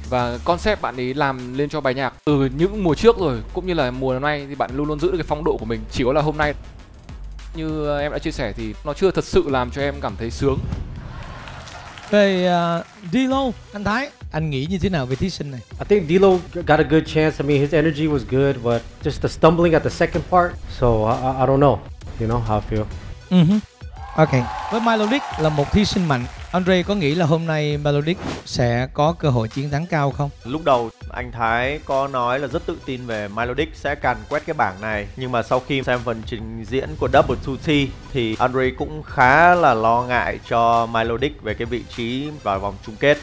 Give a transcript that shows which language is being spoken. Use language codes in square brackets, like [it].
[vi] Và concept bạn ấy làm lên cho bài nhạc từ những mùa trước rồi, cũng như là mùa năm nay, thì bạn luôn luôn giữ được cái phong độ của mình. Chỉ có là hôm nay, như em đã chia sẻ thì nó chưa thật sự làm cho em cảm thấy sướng. Về Dilo, anh Thái, anh nghĩ như thế nào về thí sinh này? [en] I think Dilo got a good chance. I mean, his energy was good, but just the stumbling at the second part. So I don't know, you know how I feel. Okay. [vi] Với Melodic là một thí sinh mạnh. Andre có nghĩ là hôm nay Melodic sẽ có cơ hội chiến thắng cao không? Lúc đầu anh Thái có nói là rất tự tin về Melodic sẽ càn quét cái bảng này. Nhưng mà sau khi xem phần trình diễn của Double 2T thì Andre cũng khá là lo ngại cho Melodic về cái vị trí vào vòng chung kết.